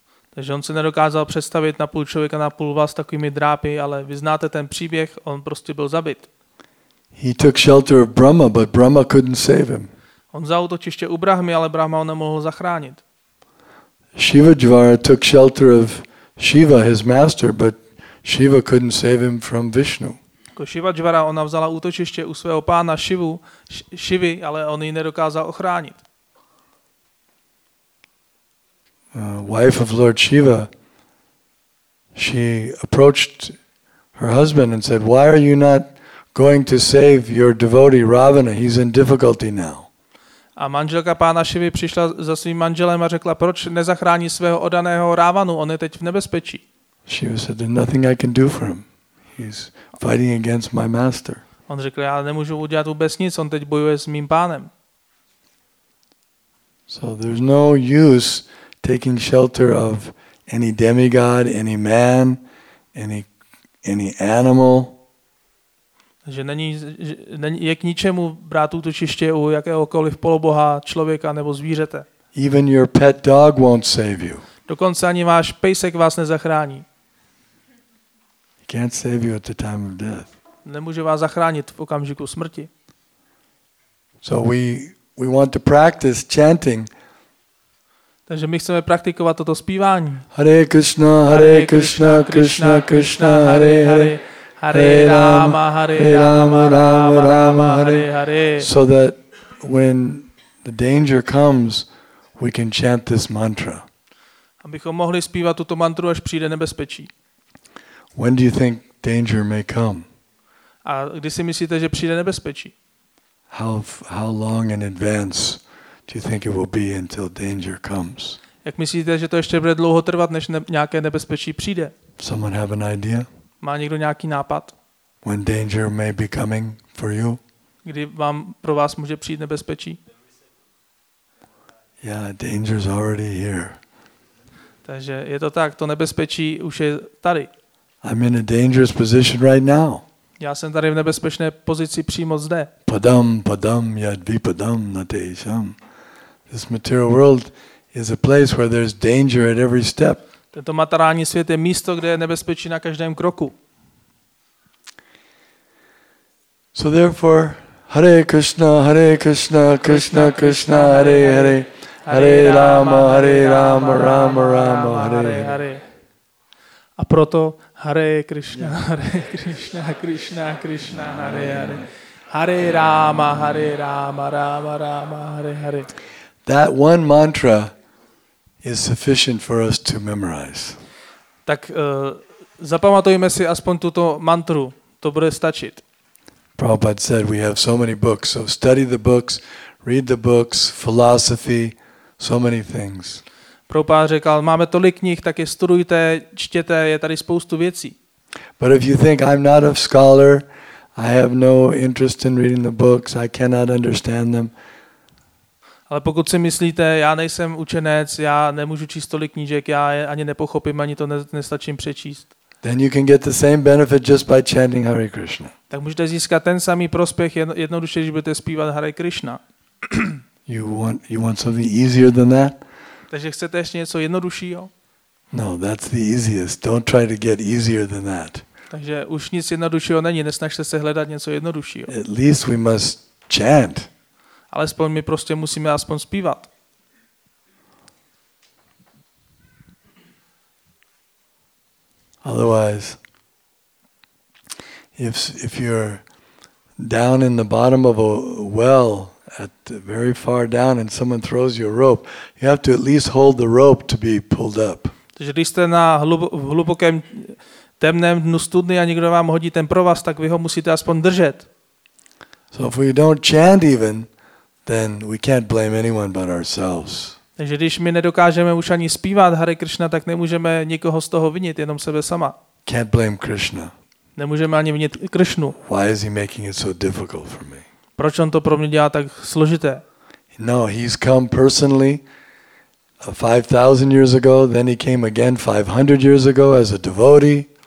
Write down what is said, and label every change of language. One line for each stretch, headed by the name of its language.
Czech: Takže on se nedokázal představit na půl člověka, na půl vás takovými drápy, ale vy znáte ten příběh, on prostě byl zabit.
English: He took shelter of Brahma, but Brahma couldn't save him.
Czech: On vzal útočiště u Brahmy, ale Brahma ho nemohl zachránit.
English: Shivajvara took shelter of Shiva, his master, but Shiva couldn't save him from Vishnu.
Czech: Shivajvara, ona vzala útočiště u svého pána Shivu, Shivy, ale on ji nedokázal ochránit.
English: Wife of Lord Shiva, she approached her husband and said, "Why are you not going to save your devotee Ravana? He's in difficulty now."
Czech: A manželka pána Shivy přišla za svým manželem a řekla, "Proč nezachrání svého odaného Ravanu? On je teď v nebezpečí."
English: Shiva said, "There's nothing I can do for him. He's fighting against my master."
Czech: On řekl, "Já nemůžu udělat vůbec nic. On teď bojuje s mým pánem."
English: So there's no use taking shelter of any demigod, any man, any animal.
Czech: Že není je k ničemu brát útočiště u jakéhokoliv poloboha, člověka nebo zvířete.
English: Even your pet dog won't save you.
Czech: Dokonce ani váš pejsek vás nezachrání.
English: He can't save you at the time of death.
Czech: Nemůže vás zachránit v okamžiku smrti.
English: So we want to practice chanting.
Czech: Takže my chceme praktikovat toto zpívání.
Sanskrit: Hare Krishna, Krishna Krishna, Hare Hare, Hare Rama, Rama Rama, Hare Hare.
English: So that when the danger comes, we can chant this mantra.
Czech: Abychom mohli zpívat tuto mantru, až přijde nebezpečí.
English: When do you think danger may come?
Czech: A kdy si myslíte, že přijde nebezpečí?
English: How long in advance do you think it will be until danger comes?
Czech: Jak myslíte, že to ještě bude dlouho trvat, než nějaké nebezpečí přijde?
English: Someone have an idea?
Czech: Má někdo nějaký nápad?
English: When danger may be coming for you?
Czech: Kdy vám pro vás může přijít nebezpečí?
English: Yeah, danger is already here.
Czech: Takže je to tak, to nebezpečí už je tady.
English: I'm in a dangerous position right now.
Czech: Já jsem tady v nebezpečné pozici přímo zde.
Sanskrit: Padam padam yad vipadam natesham.
English: This material world is a place where there's danger at every step.
Czech: Tento materiální svět je místo, kde je nebezpečí na každém kroku.
English: So therefore,
Sanskrit: Hare Krishna, Krishna Krishna, Hare Hare,
English: Hare Rama, Rama Rama, Hare Hare.
Czech: A proto
Sanskrit: Hare Krishna, Krishna Krishna, Hare Hare,
Czech: Hare Rama, Rama Rama, Hare Hare.
English: That one mantra is sufficient for us to memorize.
Czech: Tak zapamatujeme si aspoň tuto mantru, to bude stačit.
English: Prabhupada said we have so many books, so study the books, read the books, philosophy, so many things.
Czech: Prabhupada řekl, máme tolik knih, tak je studujte, čtěte, je tady spoustu věcí.
English: But if you think I'm not a scholar, I have no interest in reading the books, I cannot understand them.
Czech: Ale pokud si myslíte, já nejsem učenec, já nemůžu číst tolik knížek, já je ani nepochopím, ani to nestačím přečíst.
English: Then you can get the same benefit just by chanting Hare Krishna.
Czech: Tak můžete získat ten samý prospěch jednoduše, když budete zpívat Hare Krishna.
English: You want something easier than that?
Czech: Takže chcete ještě něco jednoduššího?
English: No, that's the easiest. Don't try to get easier than that.
Czech: Takže už nic jednoduššího není, nesnažte se hledat něco jednoduššího.
English: At least we must chant.
Czech: Alespoň my prostě musíme aspoň zpívat.
English: Otherwise, if you're down in the bottom of a well at very far down and someone throws you a rope, you have to at least hold the rope to be pulled up.
Czech: Takže když jste na hlubokém temném dnu studny a někdo vám hodí ten provaz, tak vy ho musíte aspoň držet.
English: So if we don't chant even, then we can't blame anyone but ourselves.
Czech: Takže když my nedokážeme už ani zpívat Hare Krishna, tak nemůžeme nikoho z toho vinit, jenom sebe sama.
English: Can't blame Krishna.
Czech: Nemůžeme ani vinit Krishnu.
English: Why is he making it so difficult for me?
Czech: Proč on to pro mě dělá tak složité?
English: No, he's come personally 5000 years ago, then he came again 500 years ago as a devotee.